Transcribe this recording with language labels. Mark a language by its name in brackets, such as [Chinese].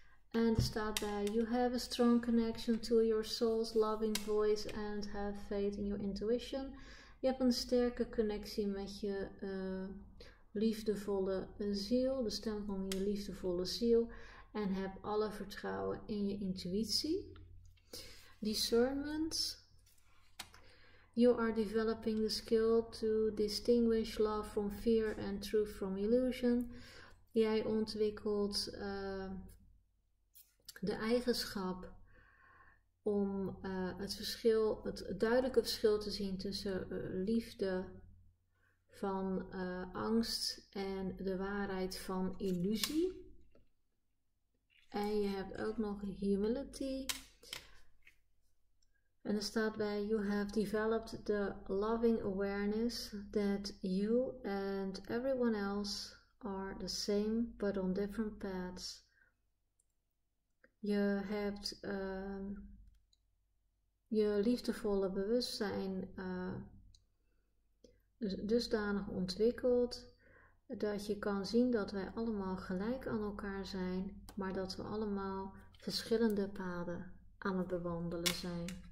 [Dutch] En er staat bij, [English] you have a strong connection to your soul's loving voice and have faith in your intuition. [Dutch] Je hebt een sterke connectie met je liefdevolle ziel, de stem van je liefdevolle ziel. En heb alle vertrouwen in je intuïtie. [English] Discernment. You are developing the skill to distinguish love from fear and truth from illusion. [Dutch] Jij ontwikkelt de eigenschap om het verschil, het duidelijke verschil te zien tussen liefde van angst en de waarheid van illusie. En je hebt ook nog humility. En er staat bij, [English] you have developed the loving awareness that you and everyone else are the same, but on different paths. [Dutch] Je hebt je liefdevolle bewustzijn dusdanig ontwikkeld dat je kan zien dat wij allemaal gelijk aan elkaar zijn, maar dat we allemaal verschillende paden aan het bewandelen zijn.